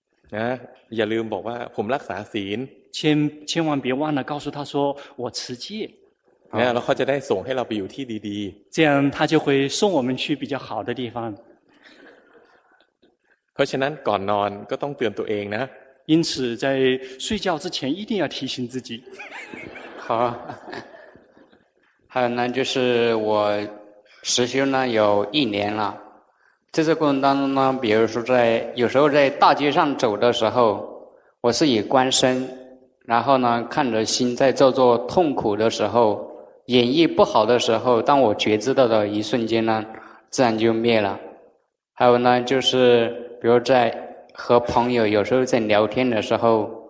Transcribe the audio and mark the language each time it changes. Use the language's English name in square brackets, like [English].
[Thai] นะอย่าลืมบอกว่าผมรักษาศีล [Chinese] 千万别忘了告诉他说我持戒 [Thai] นะแล้วเขาจะได้ส่งให้เราไปอยู่ที่ดี [Chinese] ๆ这样他就会送我们去比较好的地方 [Thai] เพราะฉะนั้นก่อนนอนก็ต้องเตือนตัวเองนะ [Chinese] 因此在睡觉之前一定要提醒自己好还有呢就是我实修呢有一年了在这过程当中呢比如说在有时候在大街上走的时候我是以观身然后呢看着心在造作痛苦的时候演绎不好的时候当我觉知到的一瞬间呢自然就灭了还有呢就是比如在和朋友有时候在聊天的时候